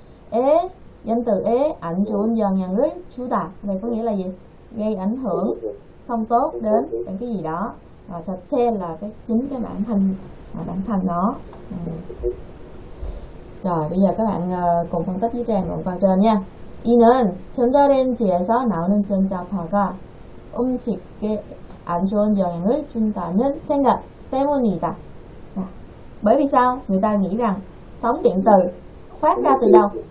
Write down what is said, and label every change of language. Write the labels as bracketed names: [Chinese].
[Vietnamese] E danh từ e ảnh hưởng [Korean] 영향을 주다. [Vietnamese] Đây có nghĩa là gì? Gây ảnh hưởng không tốt đến cái gì đó. Và thật xe là cái chính cái bản thân bản thân nó. Rồi bây giờ các bạn cùng phân tích với Trang đoạn văn trên nha. [Korean] 이는 전자레인지에서 나오는 전자파가 음식에 안 좋은 영향을 준다는 생각 때문이다. [Vietnamese] Bởi vì sao? Người ta nghĩ rằng sóng điện từ phát ra từ đâu?